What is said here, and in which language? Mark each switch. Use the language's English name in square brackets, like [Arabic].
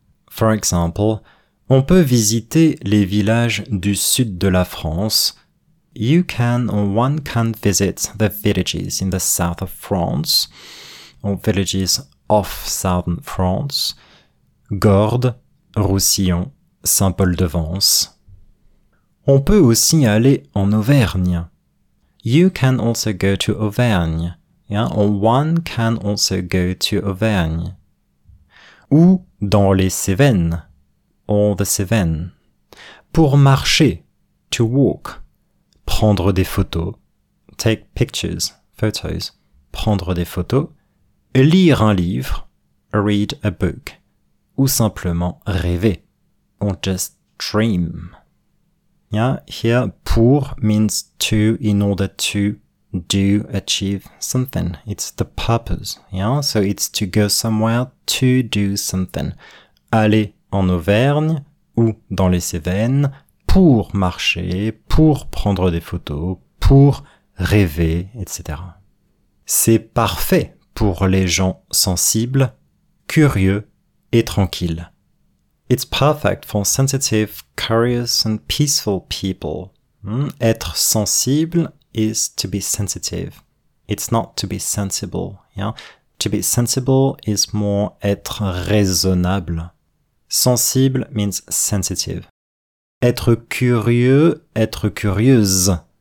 [English] For example, [French] on peut visiter les villages du sud de la France. [English] You can or one can visit the villages in the south of France, or villages off southern France. [French] Gordes, Roussillon, Saint-Paul-de-Vence. On peut aussi aller en Auvergne. [English] You can also go to Auvergne. Yeah? Or one can also go to Auvergne. [French] Ou dans les Cévennes, [English] or the Cévennes. [French] Pour marcher, [English] to walk. [French] Prendre des photos, [English] take pictures, photos. [French] Prendre des photos, lire un livre, [English] read a book. [French] Ou simplement rêver, [English] or just dream. Yeah, here, pour means to, in order to do, achieve something. It's the purpose, yeah? So it's to go somewhere to do something. [French] Aller en Auvergne ou dans les Cévennes pour marcher, pour prendre des photos, pour rêver, etc. C'est parfait pour les gens sensibles, curieux et tranquilles. [English] It's perfect for sensitive, curious and peaceful people. Être sensible is to be sensitive. It's not to be sensible. Yeah? To be sensible is more être raisonnable. Sensible means sensitive. [French] Être curieux, être curieuse.